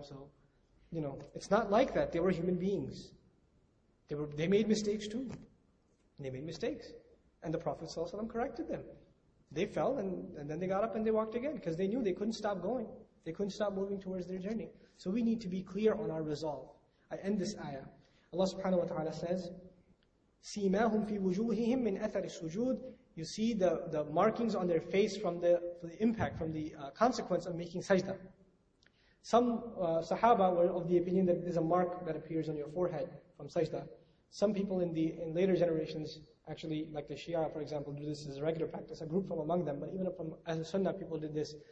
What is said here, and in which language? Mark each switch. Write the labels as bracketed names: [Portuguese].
[English] So, you know, it's not like that. They were human beings. They made mistakes too. They made mistakes. And the Prophet ﷺ corrected them. They fell and then they got up and they walked again because they knew they couldn't stop going. They couldn't stop moving towards their journey. So we need to be clear on our resolve. I end this ayah. Allah subhanahu wa ta'ala says, [Arabic] سِيمَاهُمْ فِي وُجُوهِهِمْ مِنْ أَثَرِ السُّجُودِ. [English] You see the markings on their face from the impact, from the consequence of making sajda. Some sahaba were of the opinion that there's a mark that appears on your forehead from sajda. Some people in later generations, actually, like the Shia, for example, do this as a regular practice, a group from among them, but even from as a sunnah, people did this.